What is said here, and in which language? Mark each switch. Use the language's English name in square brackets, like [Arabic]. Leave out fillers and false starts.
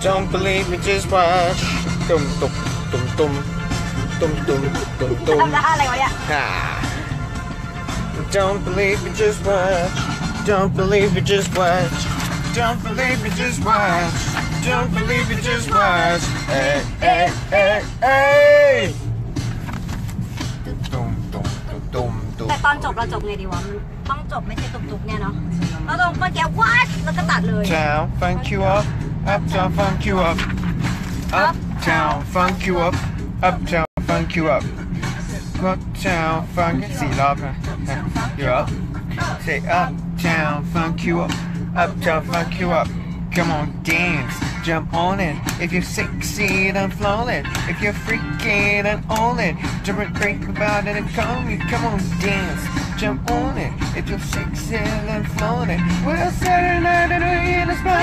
[English] Don't believe me, just watch. Dum dum dum dum. Dum dum dum dum. Ha. Don't believe me, just watch. Don't believe it, just watch. Don't believe it, just watch. Don't believe it, just watch. Hey, hey, hey, hey. [Thai] ตุ๊บตุ๊บตุ๊บตุ๊บตุ๊บตุ๊บแต่ตอนจบเราจบไงดีวะต้องจบไม่ใช่ตุ๊บตุ๊บเนี่ยเนาะเราต้องเมื่อกี้ watch แล้วก็ตัดเลย [English] Uptown funk you up. Uptown funk you up. Uptown funk you up. Uptown funk you up. Uptown funk [Thai] สี่รอบนะ [English] You up? Say up. Uptown funk you up, uptown funk you up. Come on, dance, jump on it. If you're sexy, then flaunt it. If you're freaky, then own it. Don't think about it and call me. Come on, dance, jump on it. If you're sexy, then flaunt it. We're well, Saturday night and we're in the spot.